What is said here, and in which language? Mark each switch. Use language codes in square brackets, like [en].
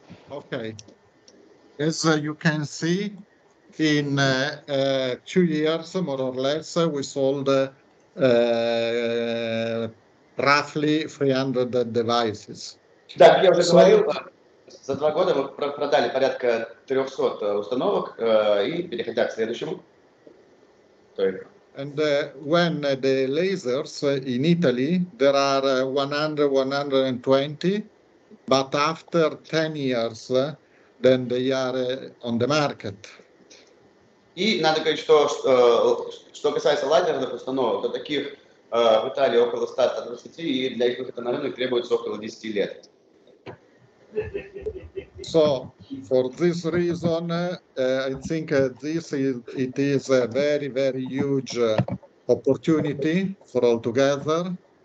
[en] Ok, as you can see, in 2 years, more or less, we sold roughly 300 devices. [ru] Да, я уже говорил. За два года мы продали порядка 300 установок и переходя к следующему. [en] And when the lasers in Italy, there are 100-120, but after 10 years, then they are on the market. [ru] И надо говорить, что что касается лазерных установок, то таких в Италии около 120, и для их выхода на рынок требуется около 10 лет. [en] So, for this reason, I think it is a very, very huge opportunity for all together.